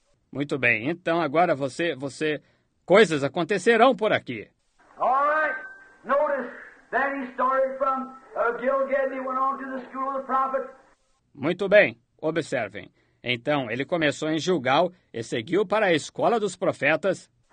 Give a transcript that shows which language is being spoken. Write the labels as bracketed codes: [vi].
[pt] Muito bem, então agora você... Coisas acontecerão por aqui. [en] All right. Notice that he started from Gilgal and went on to the school of the prophet. [pt] Muito bem. Observem. Então, ele começou em Gilgal e seguiu para a escola dos profetas.